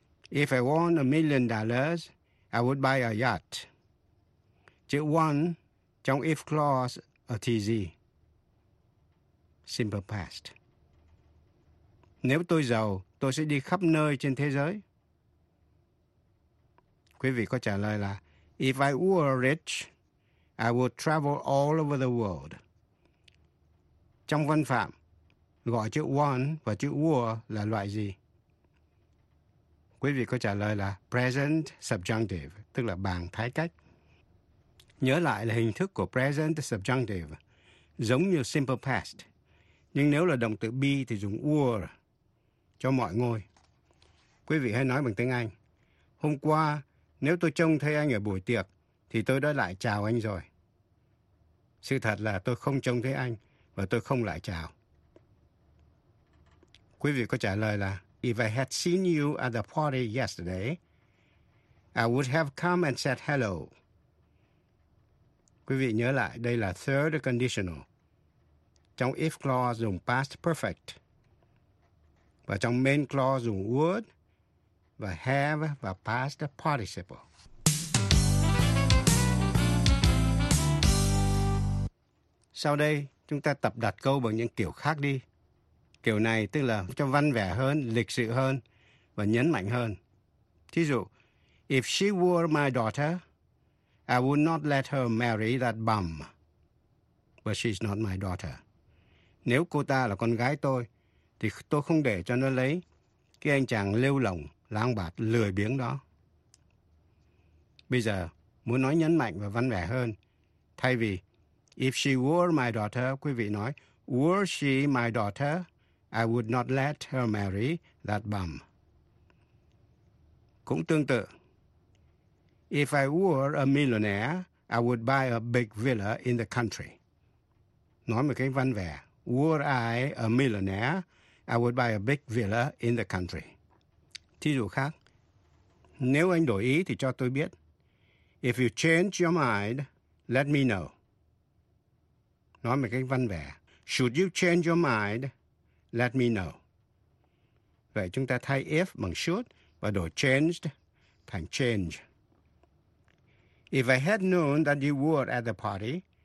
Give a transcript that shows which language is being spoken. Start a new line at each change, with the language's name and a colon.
English: If I won $1 million, I would buy a yacht.
Vietnamese: Chữ won trong if clause ở thì gì? Simple past. Nếu tôi giàu, tôi sẽ đi khắp nơi trên thế giới. Quý vị có trả lời là
English: if I were rich, I would travel all over the world.
Vietnamese: Trong Văn Phạm, gọi chữ want và chữ were là loại gì? Quý vị có trả lời là present subjunctive, tức là bằng thái cách. Nhớ lại là hình thức của present subjunctive, giống như simple past. Nhưng nếu là động từ be thì dùng were cho mọi ngôi. Quý vị hãy nói bằng tiếng Anh. Hôm qua, nếu tôi trông thấy anh ở buổi tiệc, thì tôi đã lại chào anh rồi. Sự thật là tôi không trông thấy anh và tôi không lại chào. Quý vị có trả lời là
English: if I had seen you at the party yesterday, I would have come and said hello.
Vietnamese: Quý vị nhớ lại, đây là third conditional. Trong if clause dùng past perfect. Và trong main clause dùng would và have và past participle. Sau đây, chúng ta tập đặt câu bằng những kiểu khác đi. Kiểu này tức là cho văn vẻ hơn, lịch sự hơn và nhấn mạnh hơn. Thí dụ,
English: if she were my daughter, I would not let her marry that bum. But she's not my daughter.
Vietnamese: Nếu cô ta là con gái tôi, thì tôi không để cho nó lấy cái anh chàng lêu lổng, lang bạt, lười biếng đó. Bây giờ, muốn nói nhấn mạnh và văn vẻ hơn, thay vì
English: if she were my daughter,
Vietnamese: quý vị nói,
English: were she my daughter, I would not let her marry that bum.
Vietnamese: Cũng tương tự.
English: If I were a millionaire, I would buy a big villa in the country.
Vietnamese: Nói một cái văn vẻ.
English: Were I a millionaire, I would buy a big villa in the country.
Vietnamese: Thí dụ khác. Nếu anh đổi ý thì cho tôi biết.
English: If you change your mind, let me know.
Vietnamese: Nói một cái văn vẻ.
English: Should you change your mind, let me know.
Vietnamese: Vậy chúng ta thay if bằng should và đổi changed thành change.
English: If I had known that you were at the party,